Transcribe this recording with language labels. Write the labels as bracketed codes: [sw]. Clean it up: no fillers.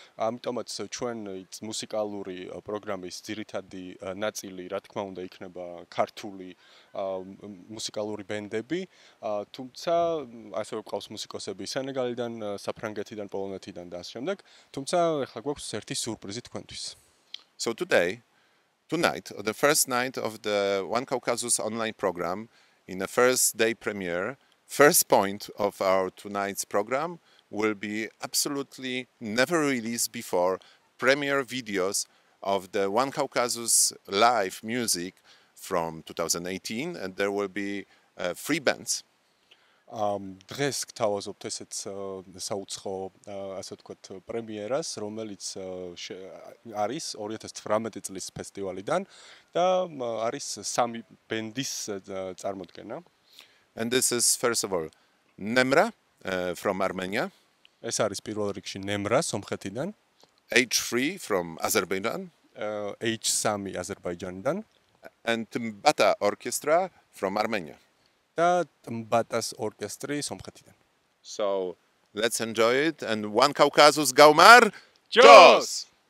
[ka] ამიტომაც ჩვენ მუსიკალური პროგრამის ძირითადი ნაწილი, რა თქმა უნდა, იქნება ქართული მუსიკალური ბენდები. თუმცა ასევე გვყავს მუსიკოსები სენეგალიდან, საფრანგეთიდან, პოლონეთიდან და ასე შემდეგ. თუმცა ახლა გვაქვს ერთი სურპრიზი თქვენთვის. [en] So today, tonight, the first night of the One Caucasus online program, in the first day premiere, first point of our tonight's program will be absolutely never released before premiere videos of the One Caucasus live music from 2018, and there will be three bands. [ka] Დღეს გთავაზობთ ესეც საუცხო ასე ვთქვათ პრემიერას, რომელიც არის 2018 წლის ფესტივალიდან და არის სამი ბენდის წარმოდგენა. [en] And this is first of all Nemra from Armenia. [ka] ეს არის პირველ რიგში Nemra სომხეთიდან. [en] H3 from Azerbaijan. [ka] H3 აზერბაიჯანიდან. [en] And TmbaTa Orchestra from Armenia. [ka] და ტმბატას ორკესტრი სომხეთიდან. [en] So, let's enjoy it and One Caucasus Gaumar. [ka] Jos.